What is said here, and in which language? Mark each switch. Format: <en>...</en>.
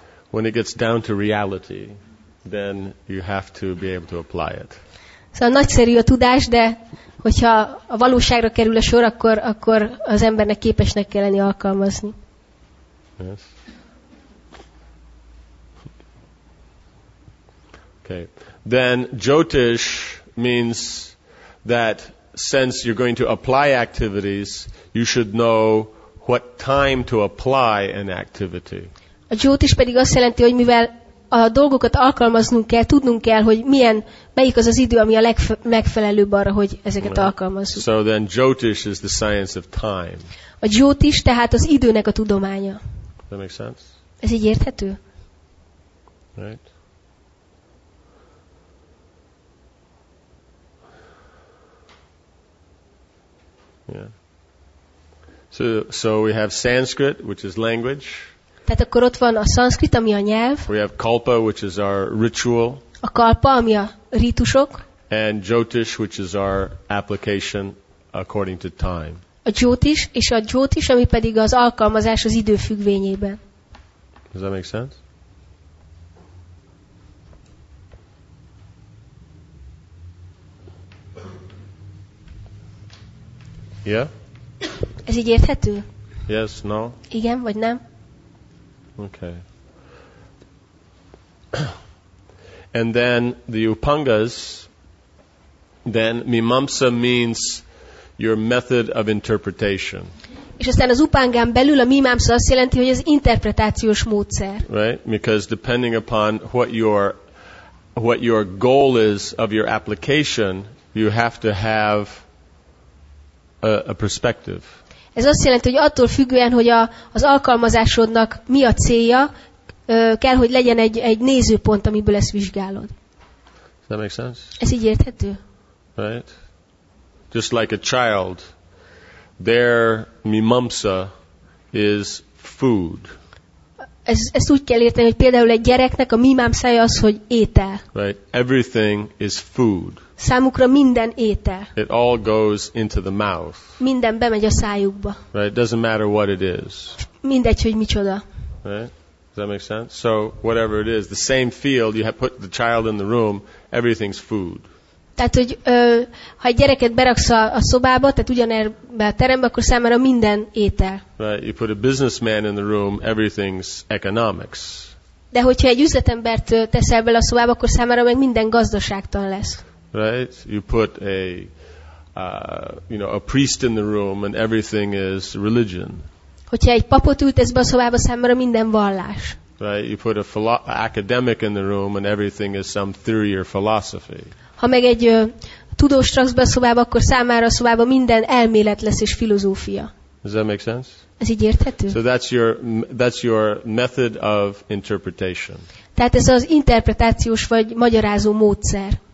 <en>When it gets down to reality, then you have to be able to apply it.</en> <hu>Szóval nagyszerű a tudás, de hogyha a valóságra kerül a sor, akkor az embernek képesnek kell lenni alkalmazni.</hu> <en>Yes. Okay. Then Jyotish means that since you're going to apply activities, you should know what time to apply an activity.</en> <hu>A Jyotish pedig azt jelenti, hogy mivel a dolgokat alkalmaznunk kell, tudnunk kell, hogy melyik az az idő, ami a megfelelőbb arra, hogy ezeket alkalmazzuk.</hu> <en>So then Jyotish is the science of time.</en> <hu>A Jyotish tehát az időnek a tudománya.</hu> <en>That makes sense?</en> <hu>Ez így érthető?</hu> <en>Right. Yeah. So we have Sanskrit, which is language.</en> <hu>Tehát akkor ott van a szanszkrit, ami a nyelv.</hu> <en>We have kalpa, which is our ritual.</en> <hu>A kalpa, ami a rítusok.</hu> <en>And Jyotish, which is our application according to time.</en> <hu>A Jyotish, és a Jyotish, ami pedig az alkalmazás az idő függvényében.</hu> <en>Does that make sense? Yeah.</en> <hu>Ez így érthető?</hu> <en>Yes, no.</en> <hu>Igen vagy nem?</hu> <en>Okay. And then the Upangas, then Mimamsa means your method of interpretation.</en> <hu>És aztán az Upangán belül a Mimamsa azt jelenti, hogy az interpretációs módszer.</hu> <en>Right, because depending upon what your goal is of your application, you have to have a perspective.</en> <hu>Ez azt jelenti, hogy attól függően, hogy az alkalmazásodnak mi a célja, kell, hogy legyen egy nézőpont, amiből ezt vizsgálod.</hu> <en>Does that make sense?</en> <hu>Ez így érthető?</hu> <en>Right. Just like a child, their mimamsa is food.</en> <hu>Ezt úgy kell érteni, hogy például egy gyereknek a mimamszája az, hogy étel.</hu> <en>Right. Everything is food.</en> <hu>Számukra minden étel.</hu> <en>It all goes into the mouth.</en> <hu>Minden bemegy a szájukba.</hu> <en>Right. It doesn't matter what it is.</en> <hu>Mindegy, hogy micsoda.</hu> <en>Right. Does that make sense? So whatever it is, the same field, you have put the child in the room, everything's food.</en> <hu>Tehát, hogy ha egy gyereket beraksz a szobába, tehát ugyanerbe a terembe, akkor számára minden étel.</hu> <en>Right. You put a businessman in the room, everything's economics.</en> <hu>De hogyha egy üzletembert teszel bele a szobába, akkor számára meg minden gazdaságtan lesz.</hu> <en>Right, you put a priest in the room, and everything is religion.</en> <hu>Hogyha egy papot ültesz be a szobába, számára minden vallás.</hu> <en>Right, you put a academic in the room, and everything is some theory or philosophy.</en> <hu>Ha meg egy tudós raksz be a szobába, akkor számára a szobába minden elmélet lesz és filozófia.</hu> <en>Does that make sense?</en> <hu>Ez így érthető?</hu> <en>So that's your method of interpretation.</en> <hu>Tehát ez az interpretációs vagy magyarázó módszer.</hu>